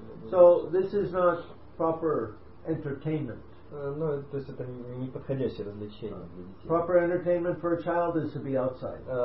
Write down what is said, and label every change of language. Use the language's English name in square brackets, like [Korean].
[English] So this is not proper entertainment. [Russian] Ну, то есть это не подходящее развлечение для детей. [English] Proper entertainment for a child is to be outside.